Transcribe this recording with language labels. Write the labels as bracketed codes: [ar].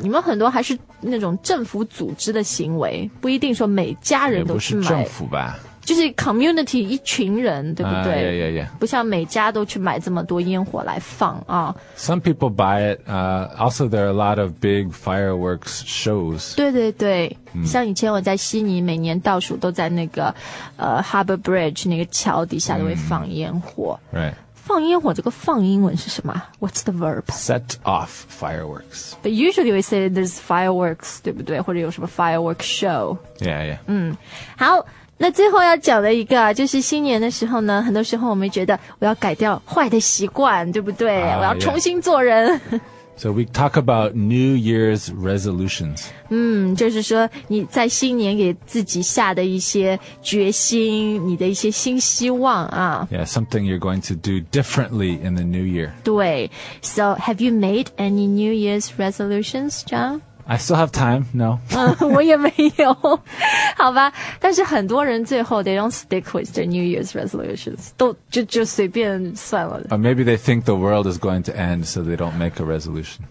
[zh] 你们很多还是那种政府组织的行为不一定说每家人都去买。也不是政府吧。就是 community 一群人，对不对？ [en] Yeah, yeah, yeah. [zh] 不像每家都去买这么多烟火来放啊。 [en] Some people buy it. Also, there are a lot of big fireworks shows. [zh] 对对对，像以前我在悉尼，每年倒数都在那个Harbour Bridge 那个桥底下都会放烟火。 [en] Right. [zh] 放烟火这个放英文是什么 ？ [en] What's the verb? Set off fireworks. But usually we say there's fireworks, [zh] 对不对？或者有什么 [en] fireworks show? Yeah, yeah. [zh] 好。那最后要讲的一个就是新年的时候呢很多时候我们觉得我要改掉坏的习惯对不对、我要重新做人。 [en] Yeah. So we talk about New Year's resolutions. [zh] 就是说你在新年给自己下的一些决心你的一些新希望啊。 [en] Yeah, something you're going to do differently in the new year. [zh] 对。 [en] So have you made any New Year's resolutions, John? I still have time, no. [zh] 我也没有。好吧。但是很多人最后 [en] they don't stick with their New Year's resolutions. [zh] 都就随便算了。 [en] Or maybe they think the world is going to end, so they don't make a resolution.